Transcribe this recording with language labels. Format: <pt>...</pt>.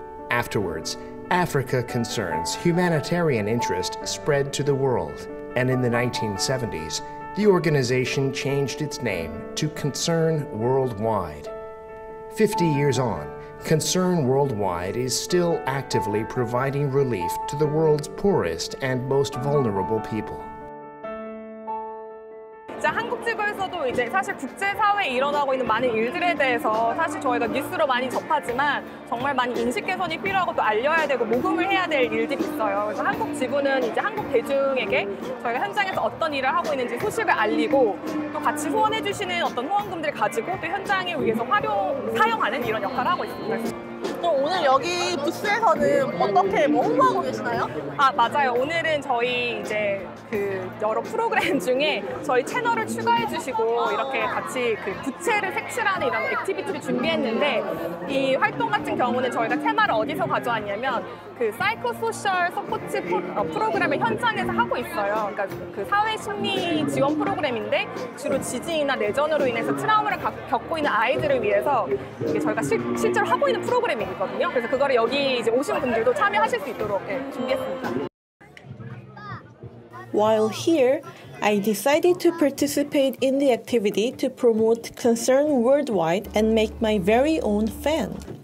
<en>Afterwards, Africa Concern's humanitarian interest spread to the world, and in the 1970s, the organization changed its name to Concern Worldwide. 50 years on, Concern Worldwide is still actively providing relief to the world's poorest and most vulnerable people.</en> <ko>한국 측에서도 이제 사실 국제사회에 일어나고 있는 많은 일들에 대해서 사실 저희가 뉴스로 많이 접하지만 정말 많이 인식 개선이 필요하고 또 알려야 되고 모금을 해야 될 일들이 있어요. 그래서 한국 지부는 이제 한국 대중에게 저희가 현장에서 어떤 일을 하고 있는지 소식을 알리고 또 같이 후원해주시는 어떤 후원금들을 가지고 또 현장을 위해서 사용하는 이런 역할을 하고 있습니다. 또 오늘 여기 부스에서는 어떻게 뭐 홍보하고 계시나요? 아, 맞아요. 오늘은 저희 이제 그 여러 프로그램 중에 저희 채널을 추가해 주시고 이렇게 같이 그 부채를 색칠하는 이런 액티비티를 준비했는데 이 활동 같은 경우는 저희가 테마를 어디서 가져왔냐면 그 사이코 소셜 서포트 프로그램을 현장에서 하고 있어요. 그러니까 그 사회 심리 지원 프로그램인데 주로 지진이나 내전으로 인해서 트라우마를 겪고 있는 아이들을 위해서 이게 저희가 실제로 하고 있는 프로그램이거든요. 그래서 그거를 여기 이제 오신 분들도 참여하실 수 있도록 네, 준비했습니다.</ko> <en>While here, I decided to participate in the activity to promote Concern Worldwide and make my very own fan.</en>